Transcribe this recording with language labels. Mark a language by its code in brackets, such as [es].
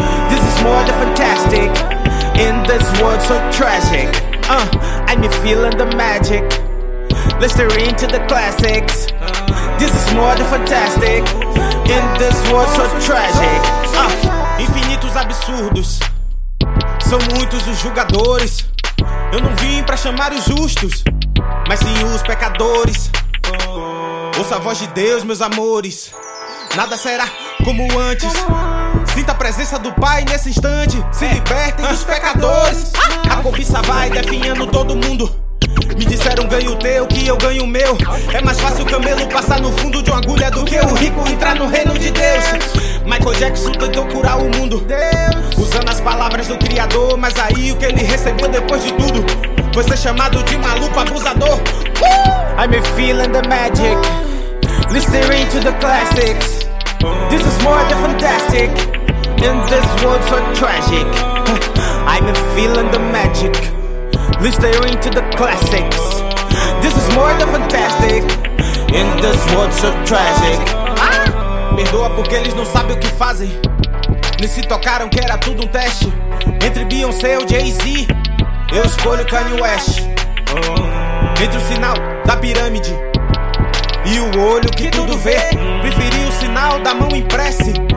[en] This is more than fantastic, in this world so tragic. I'm feeling the magic, listening to the classics. This is more than fantastic, in this world so tragic. [pt] Infinitos absurdos. São muitos os julgadores. Eu não vim pra chamar os justos, mas sim os pecadores. Ouça a voz de Deus, meus amores. Nada será como antes. Sinta a presença do Pai nesse instante. Se libertem dos pecadores. A cobiça vai definhando todo mundo. Me disseram ganho o teu, que eu ganho o meu. É mais fácil o camelo passar no fundo de uma agulha do que o rico entrar no reino de Deus. Michael Jackson tentou curar o mundo, usando as palavras do Criador. Mas aí o que ele recebeu depois de tudo foi ser chamado de maluco abusador. [en] I'm feeling the magic, listening to the classics. This is more than fantastic, in this world so tragic. I'm feeling the magic, listening to the classics. This is more than fantastic, in this world so tragic. [pt] Perdoa porque eles não sabem o que fazem. Nem se tocaram que era tudo um teste. Entre Beyoncé ou Jay-Z, eu escolho Kanye West. Entre o sinal da pirâmide e o olho que tudo vê, preferi o sinal da mão impressa.